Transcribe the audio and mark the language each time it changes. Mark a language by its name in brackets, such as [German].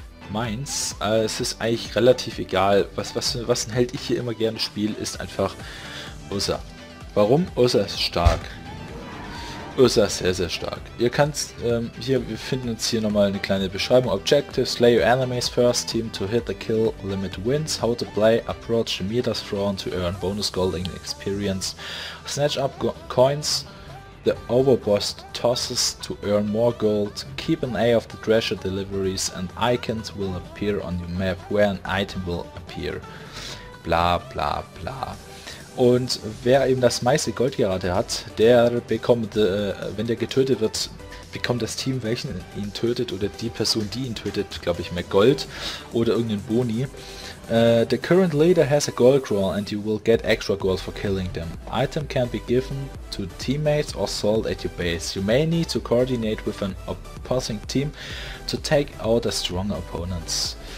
[German] Meins. Es ist eigentlich relativ egal. Was ein Held ich hier immer gerne spiele, ist einfach Ursa. Warum? Ursa ist stark. Ursa ist sehr, sehr stark. Ihr könnt, hier, wir finden uns hier nochmal eine kleine Beschreibung. [English] Objective, slay your enemies first, team to hit the kill limit wins, how to play, approach the Midas throne to earn bonus gold and experience, snatch up coins the overboss tosses to earn more gold, keep an eye of the treasure deliveries and icons will appear on your map where an item will appear. Bla bla bla. [German] Und wer eben das meiste Gold gerade hat, der bekommt, wenn der getötet wird, bekommt das Team, welchen ihn tötet, oder die Person, die ihn tötet, glaube ich, mehr Gold oder irgendeinen Boni. [English] The current leader has a gold crawl and you will get extra gold for killing them. Item can be given to teammates or sold at your base. You may need to coordinate with an opposing team to take out the stronger opponents.